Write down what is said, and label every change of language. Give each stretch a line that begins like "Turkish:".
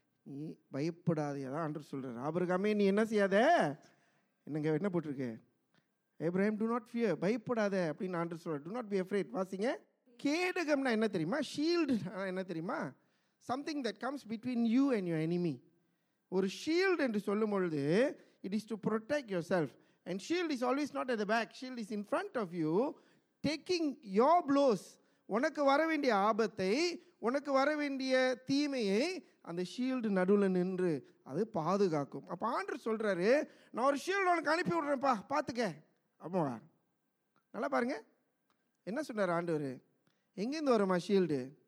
Tamil: நீ பயப்படாதே தான் அன்று சொல்கிறார் ஆபிரகாமே. நீ என்ன செய்யாத, என்னங்க என்ன போட்டிருக்கேன்,
English: Abraham do not fear,
Tamil: பயப்படாத அப்படின்னு அன்று சொல்கிறார்.
English: Do not be afraid.
Tamil: வாசிங்க, கேடகம்னா என்ன தெரியுமா, ஷீல்டுனா என்ன தெரியுமா,
English: Something that comes between you and your enemy.
Tamil: ஒரு ஷீல்டு என்று சொல்லும் பொழுது
English: It is to protect yourself. And shield is always not at the back. Shield is in front of you, taking your blows.
Tamil: உனக்கு வர வேண்டிய ஆபத்தை, உனக்கு வர வேண்டிய தீமையை அந்த ஷீல்டு நடுவில் நின்று அது பாதுகாக்கும். அப்போ ஆண்டர் சொல்கிறாரு, நான் ஒரு ஷீல்டு உனக்கு அனுப்பி விடுறேன்ப்பா, பார்த்துக்க. அம்மா நல்லா பாருங்க என்ன சொன்னார் ஆண்டவர், எங்கேருந்து வருமா ஷீல்டு?